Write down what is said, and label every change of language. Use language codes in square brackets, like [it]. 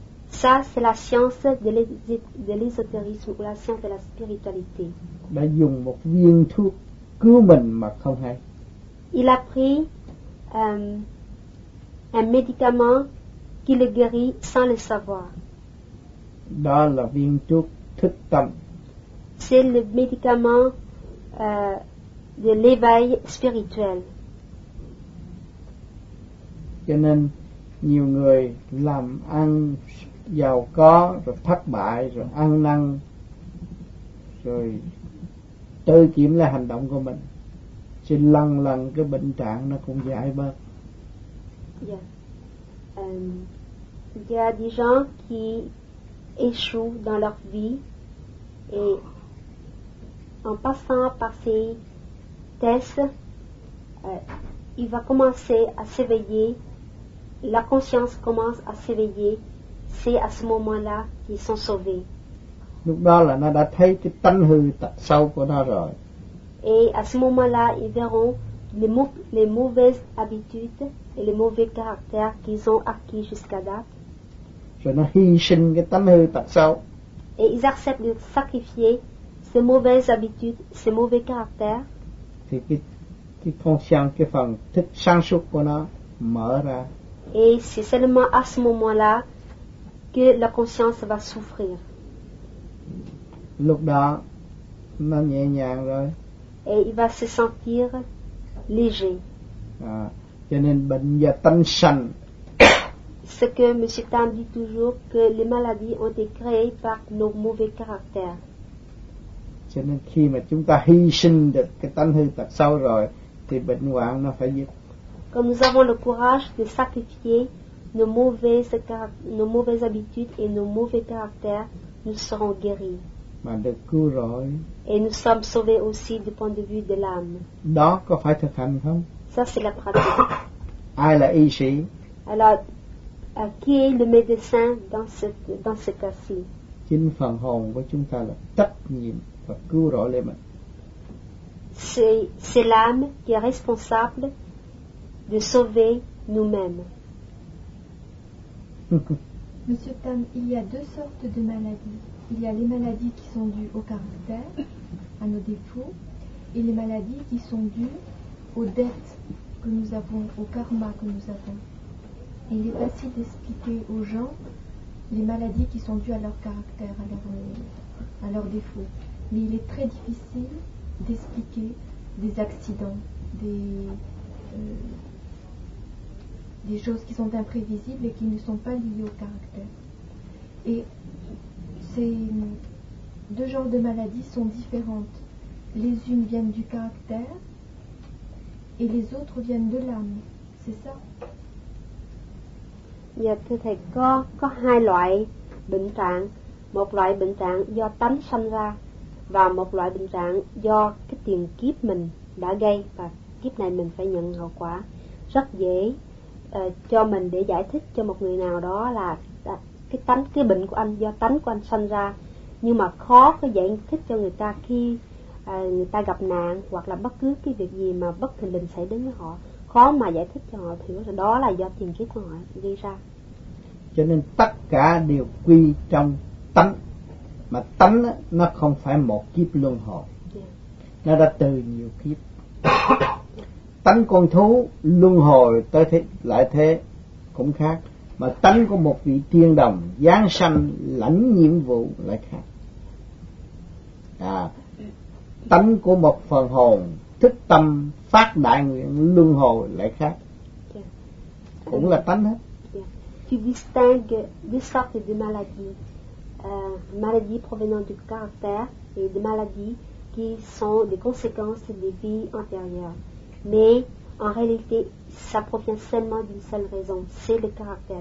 [fr] Ça, c'est la science de l'ésotérisme ou la science de la spiritualité. [vi] Đã dùng một viên thuốc cứu mình mà không hay. [fr] Il a pris un médicament qui le guérit sans le savoir. [vi] Đó là viên thuốc thức tâm. [fr] C'est le médicament de l'éveil spirituel. [vi] Cho nên nhiều người làm ăn giàu có rồi thất bại rồi ăn năn rồi tự kiểm lại hành động của mình, thì lần lần cái bệnh trạng nó cũng giải bớt. [fr] Il y a des gens qui échouent dans leur vie et en passant par ces tests, il va commencer à s'éveiller, la conscience commence à s'éveiller, c'est à ce moment-là qu'ils sont sauvés. [vi] Lúc đó là nó đã thấy cái tánh hư tật xấu của nó rồi. [fr] Et à ce moment-là, ils verront les mauvaises habitudes et les mauvais caractères qu'ils ont acquis jusqu'à date. [vi] Rồi nó hy sinh cái tánh hư tật xấu. [fr] Et ils acceptent de sacrifier ces mauvaises habitudes, ces mauvais caractères. [vi] Thì cái conscience, cái phần thức sáng suốt của nó mở ra. [fr] Et c'est seulement à ce moment-là que la conscience va souffrir. [vi] Lúc đó, nó nhẹ nhàng rồi. [fr] Et il va se sentir léger. [vi] Cho nên bệnh do tâm sanh. [fr] Ce que M. Tam dit toujours, que les maladies ont été créées par nos mauvais caractères. [vi] Cho nên khi mà chúng ta hy sinh được cái tánh hư tật xấu rồi, thì bệnh hoạn nó phải dứt. [fr] Quand nous avons le courage de sacrifier nos mauvaises habitudes et nos mauvais caractères, nous serons guéris. [vi] Mà được cứu rồi. [fr] Et nous sommes sauvés aussi du point de vue de l'âme. [vi] Đó có phải thực hành không? [fr] Ça, c'est la pratique. [vi] Ai là y sĩ? [fr] Alors, qui est le médecin dans ce cas-ci? [vi] Chính phần hồn của chúng ta là trách nhiệm và cứu rỗi lấy mình. [fr] C'est l'âme qui est responsable de sauver nous-mêmes. Monsieur Tam, il y a deux sortes de maladies. Il y a les maladies qui sont dues au caractère, à nos défauts, et les maladies qui sont dues aux dettes que nous avons, au karma que nous avons. Il est facile d'expliquer aux gens les maladies qui sont dues à leur caractère, à leur défauts. Mais il est très difficile d'expliquer des accidents, des choses qui sont imprévisibles et qui ne sont pas liées au caractère. Et ces deux genres de maladies sont différentes. Les unes viennent du caractère et les autres viennent de l'âme, c'est ça? [vi] Dạ, thưa thầy, có hai loại bệnh trạng. Một loại bệnh trạng do tánh sanh ra và một loại bệnh trạng do cái tiền kiếp mình đã gây và kiếp này mình phải nhận hậu quả. Rất dễ cho mình để giải thích cho một người nào đó là cái bệnh của anh do tánh của anh sanh ra, nhưng mà khó có giải thích cho người ta khi người ta gặp nạn hoặc là bất cứ cái việc gì mà bất thình lình xảy đến với họ, khó mà giải thích cho họ hiểu đó là do tiền kiếp của họ gây ra. Cho nên tất cả đều quy trong tánh, mà tánh nó không phải một kiếp luân hồi. Yeah. Nó đã từ nhiều kiếp. Tánh con thú luân hồi tới thế lại thế cũng khác, mà tánh của một vị tiên đồng giáng sanh lãnh nhiệm vụ lại khác. À, tánh của một phần hồn thức tâm phát đại nguyện luân hồi lại khác. Yeah. Cũng là tánh hết. [fr] Tu distingues deux sortes de maladies, maladies provenant du caractère et des maladies qui sont des conséquences des vies antérieures. Mais en réalité, ça provient seulement d'une seule raison, c'est le caractère.